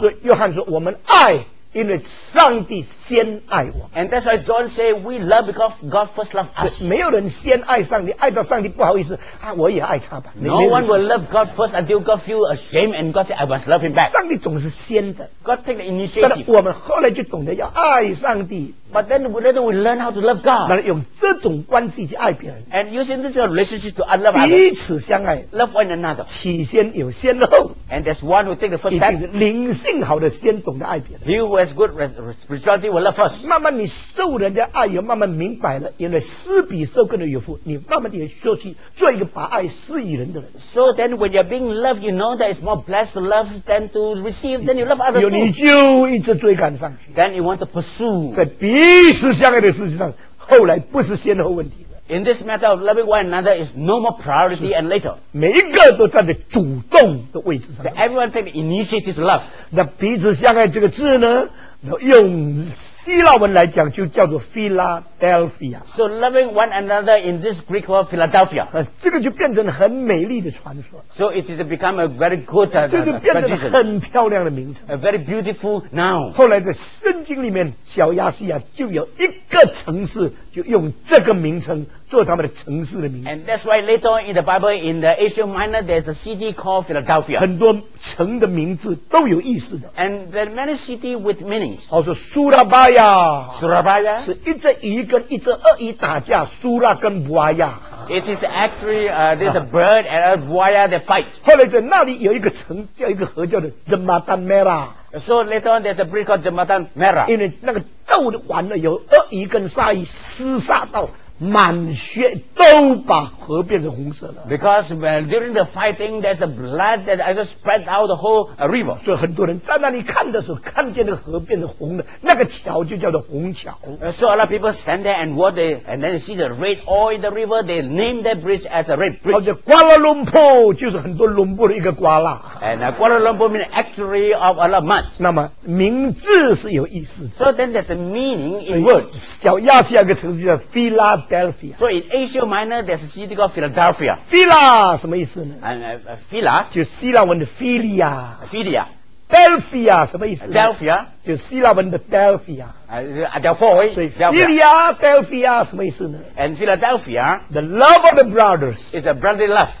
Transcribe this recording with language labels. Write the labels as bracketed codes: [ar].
[zh] 所以约翰说我们爱因为上帝先爱我 [en] And that's why John say we love because God first loved us [zh] 没有人先爱上帝爱到上帝不好意思、啊、我也爱他吧 [en] No one will love God first until God feel ashamed and God say I must love him back [zh] 上帝总是先的 [en] God take the initiative [zh] 但我们后来就懂得要爱上帝 [en] But then later we learn how to love God [zh] 那用这种关系去爱别人 [en] And using this relationship to love others [zh] 彼此相爱 [en] Love one another [zh] 起先有先后 [en] And there's one who take the first step [zh] 灵性好的先懂得爱别人 [en] He who has good responsibility will love first [zh] 慢慢你受人的爱也慢慢明白了因为施比受更的有福你慢慢地学习做一个把爱施与人的人 [en] So then when you're being loved you know that it's more blessed to love than to receive then you love others [zh] 你就一直追赶上去 [en] Then you want to pursue [zh] 在彼此相爱的事情上后来不是先后问题了 [en] In this matter of loving one another is no more priority and later [zh] 每一个都站在主动的位置上 [en] That everyone take the initiative to love [zh] 那彼此相爱这个字呢用希腊文来讲就叫做 Philadelphia [en] So loving one another in this Greek word Philadelphia [zh] 这个就变成很美丽的传说 [en] So it has become a very good tradition [zh] 这就变成很漂亮的名字 [en] A very beautiful noun [zh] 后来在圣经里面小亚细亚就有一个城市就用这个名称做他们的城市的名字 [en] And that's why later on in the Bible in the Asia Minor there's a city called Philadelphia [zh] 很多城的名字都有意思的 [en] And there are many cities with meanings [zh] 好说苏拉巴亚苏拉巴亚是一只鱼跟一只鳄鱼打架苏拉跟布拉亚 [en] It is actually there's a bird and a 布拉亚 that fight [zh] 后来在那里有一个城叫一个河叫的 Jembatan Merah [en] So later on there's a bridge called Jembatan Merah [zh] 因为那个斗完了有鳄鱼跟鲨鱼厮杀到满血都把河变成红色了 [en] Because well, during the fighting there's a blood that has spread out the whole river [zh] 所以很多人在那里看的时候看见那个河变成红的那个桥就叫做红桥 [en] So a lot of people stand there and what they and then see the red oil in the river they name that bridge as a red bridge [zh] 好像瓜拉隆坡就是很多隆坡的一个瓜拉 [en] And Kuala Lumpur means actually of a lot of mud [zh] 那么名字是有意思的 [en] So then there's a meaning in words [zh] 小亚细亚一个城市叫菲拉 [en] So in Asia Minor, there's a city called Philadelphia. [zh] Phila, 什么意思呢 [en] Phila, [zh] 就希腊文的 Philia. [en] Philia. [zh] Delphia, 什么意思 [en] Delphia, [zh] 就希腊文的 Delphia. [el] Adelphoi, [zh] Philia, Delphia, 什么意思呢 [en] And Philadelphia, the love of the brothers, is a brotherly love.